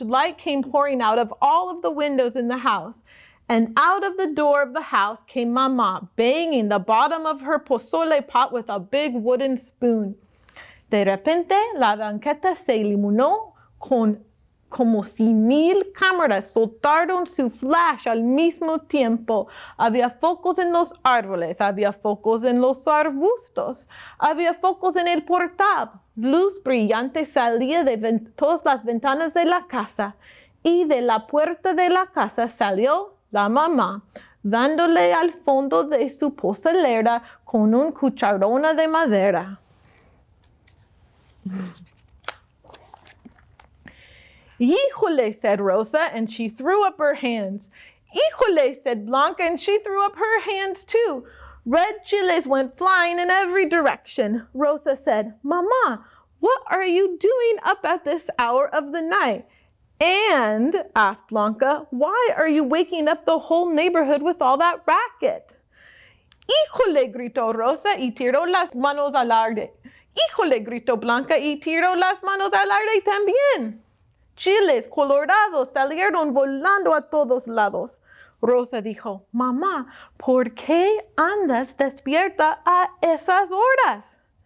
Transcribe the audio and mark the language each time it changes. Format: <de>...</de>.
<en>Light came pouring out of all of the windows in the house. And out of the door of the house came Mama, banging the bottom of her pozole pot with a big wooden spoon.</en> <es>De repente, la banqueta se iluminó con como si mil cámaras soltaron su flash al mismo tiempo. Había focos en los árboles, había focos en los arbustos, había focos en el portal. Luz brillante salía de todas las ventanas de la casa y de la puerta de la casa salió la mamá, dándole al fondo de su pozolera con un cucharona de madera.</es> <en>Híjole, said Rosa, and she threw up her hands. Híjole, said Blanca, and she threw up her hands too. Red chiles went flying in every direction. Rosa said, Mama, what are you doing up at this hour of the night? And, asked Blanca, why are you waking up the whole neighborhood with all that racket?</en> <es>Híjole, gritó Rosa y tiró las manos al aire. Híjole, gritó Blanca y tiró las manos al aire también. Chiles colorados salieron volando a todos lados. Rosa dijo, Mamá, ¿por qué andas despierta a esas horas?</es>